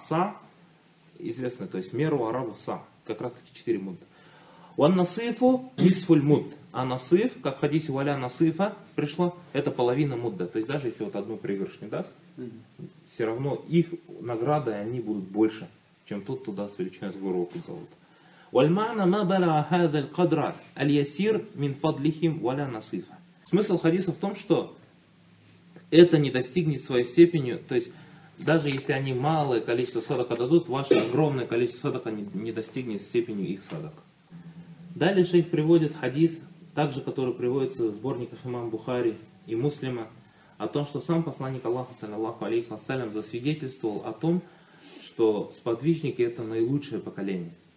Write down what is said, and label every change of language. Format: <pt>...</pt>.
<ru>Са, известная, то есть меру араба са, как раз таки четыре мудда.</ru> <ar>وَالنَّصِيفُ نِصْفُ الْمُدِّ</ar> <ru>А насыф, как в хадисе валя насыфа пришло, это половина мудда. То есть даже если вот одну пригоршню даст, все равно их награды, они будут больше, чем тот, кто даст величину с гору Ухуд золота.</ru> <ar>وَالْمَعْنَ مَا بَلَغَ هَذَا الْقَدْرَ الْيَسِيرُ مِنْ فَضْلِهِمْ وَلَا نَصِيفَ</ar> <ru>Смысл хадиса в том, что это не достигнет своей степени, то есть даже если они малое количество садок отдадут, ваше огромное количество садок не достигнет степени их садок. Далее шейх приводит хадис, также который приводится в сборниках имам Бухари и Муслима, о том, что сам посланник Аллаха, саллиллаху алейхи вассалям, засвидетельствовал о том, что сподвижники это наилучшее поколение.</ru>